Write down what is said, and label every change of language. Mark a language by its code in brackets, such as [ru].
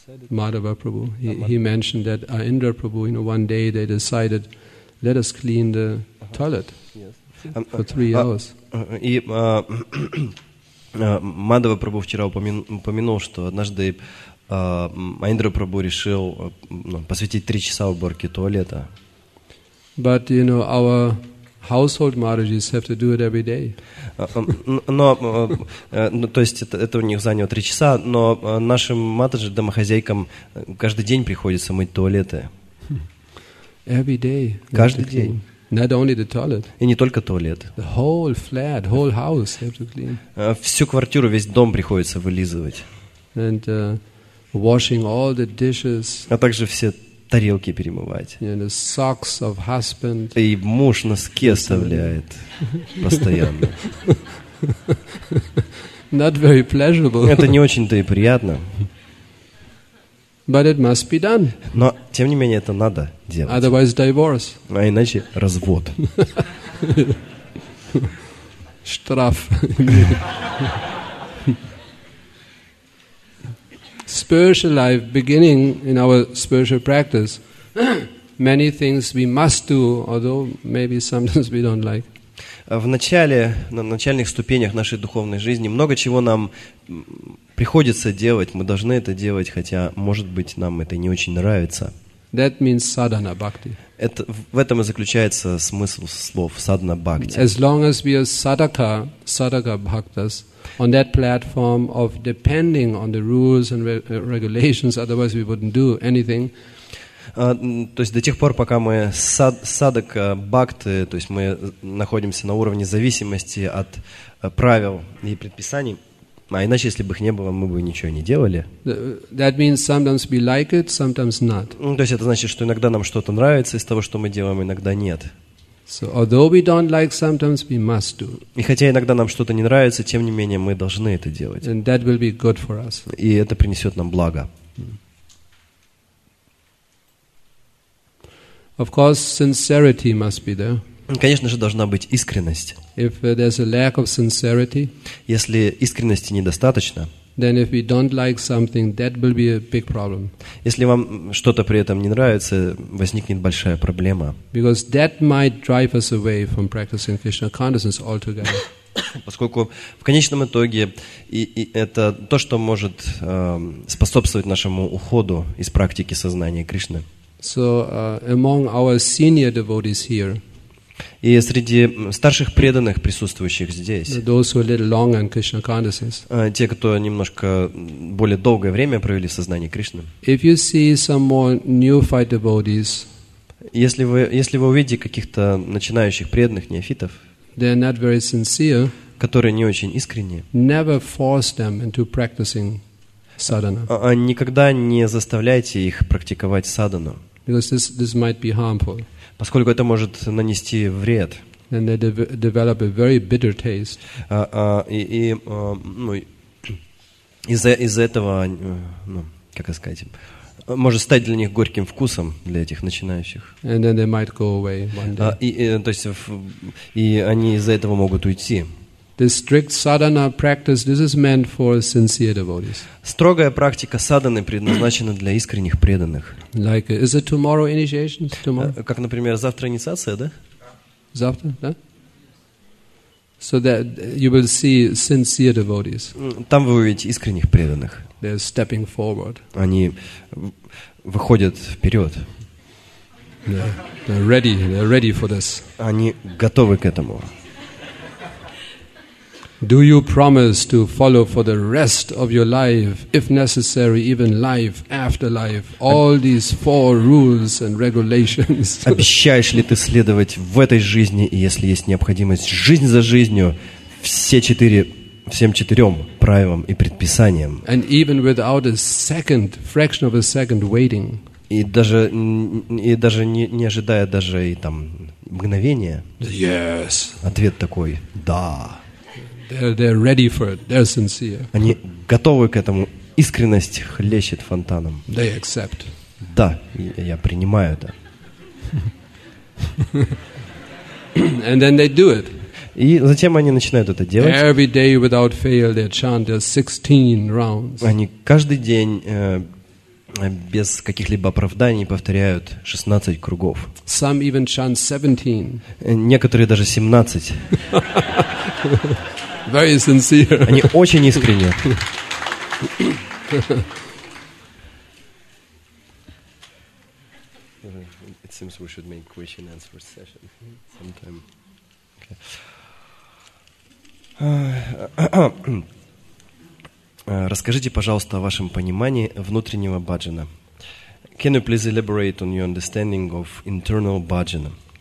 [en] Madhava Prabhu, he mentioned that Indra Prabhu, you know, one day they decided, let us clean the toilet for 3 hours. [ru] Madhava Prabhu вчера упомянул, что однажды Индра Прабху решил посвятить 3 часа уборке туалета. [en] But you know, our household Matajis have to do it every day. [ru] То есть это у них заняло 3 часа, но нашим матаджи, домохозяйкам, каждый день приходится мыть туалеты. [en] Every day. [ru] Каждый день. [en] Not only the toilet. [ru] И не только туалет. [en] The whole flat, whole house have to clean. [ru] Всю квартиру, весь дом приходится вылизывать. [en] And washing all the dishes. [ru] А также все тарелки перемывать. [en] Yeah, the socks of husband. [ru] И муж носки оставляет постоянно. [en] Not very pleasurable. [ru] Это не очень-то и приятно. [en] But it must be done. [ru] Но, тем не менее, это надо делать. [en] Otherwise, divorce. [ru] А иначе развод. Штраф. [en] Spiritual life, beginning in our spiritual practice, many things we must do, although maybe sometimes we don't like. [ru] В начале, на начальных ступенях нашей духовной жизни, много чего нам приходится делать, мы должны это делать, хотя, может быть, нам это не очень нравится. [en] That means sadhana bhakti. [ru] Это, в этом и заключается смысл слов sadhana bhakti. [en] As long as we are sadhaka, sadhaka bhaktas, on that platform of depending on the rules and regulations, otherwise we wouldn't do anything. [ru] То есть до тех пор, пока мы садак бхакты, то есть мы находимся на уровне зависимости от правил и предписаний, а иначе, если бы их не было, мы бы ничего не делали. [en] That means sometimes we like it, sometimes not. [ru] То есть это значит, что иногда нам что-то нравится из того, что мы делаем, иногда нет. [en] So, although we don't like, sometimes we must do. [ru] И хотя иногда нам что-то не нравится, тем не менее мы должны это делать. [en] And that will be good for us. [ru] И это принесет нам благо. [en] Of course, sincerity must be there. [ru] Конечно же, должна быть искренность. [en] If there's a lack of sincerity, [ru] если искренности недостаточно, [en] then if we don't like something, that will be a big problem. [ru] Если вам что-то при этом не нравится, возникнет большая проблема. [en] Because that might drive us away from practicing Krishna consciousness altogether. [ru] Поскольку в конечном итоге и это то, что может способствовать нашему уходу из практики сознания Кришны. [en] So among our senior devotees here. [ru] И среди старших преданных, присутствующих здесь, те, кто немножко более долгое время провели в сознании Кришны, если вы увидите каких-то начинающих преданных неофитов, которые не очень искренние, никогда не заставляйте их практиковать садхану, [en] because this might be harmful. [ru] Поскольку это может нанести вред. [en] And they develop a very bitter taste. [ru] Из-за этого, как сказать, может стать для них горьким вкусом для этих начинающих. [en] And then they might go away one day. [ru] И они из-за этого могут уйти. [en] This strict sadhana practice, this is meant for sincere devotees. [ru] Строгая практика садханы предназначена для искренних преданных. [en] Like, is it tomorrow initiation? Tomorrow? [ru] Как, например, завтра инициация, да? Завтра, да? [en] So that you will see sincere devotees. [ru] Там вы увидите искренних преданных. [en] They're stepping forward. [ru] Они выходят вперед. [en] They're ready for this. [ru] Они готовы к этому. [en] Do you promise to follow for the rest of your life, if necessary, even life after life, all these four rules and regulations? [ru] Обещаешь ли ты следовать в этой жизни, и если есть необходимость, жизнь за жизнью, всем четырем правилам и предписаниям? [en] And even without a second, fraction of a second waiting. [ru] И даже не ожидая даже и там мгновения. [en] Yes. [ru] Ответ такой: да. [en] They're ready for it. They're sincere. [ru] Они готовы к этому. Искренность хлещет фонтаном. [en] They accept. [ru] Да, я принимаю это. [en] And then they do it. [ru] И затем они начинают это делать. [en] Every day without fail they chant their 16 rounds. [ru] Они каждый день без каких-либо оправданий повторяют 16 кругов. [en] Some even chant 17. [ru] Некоторые даже 17. [en] Very sincere. [ru] Они очень искренне. [en] It seems we should make question answer session sometime. Okay. [ru] Расскажите, пожалуйста, о вашем понимании внутреннего баджана. [en] Can you please elaborate on your understanding of internal bhajana?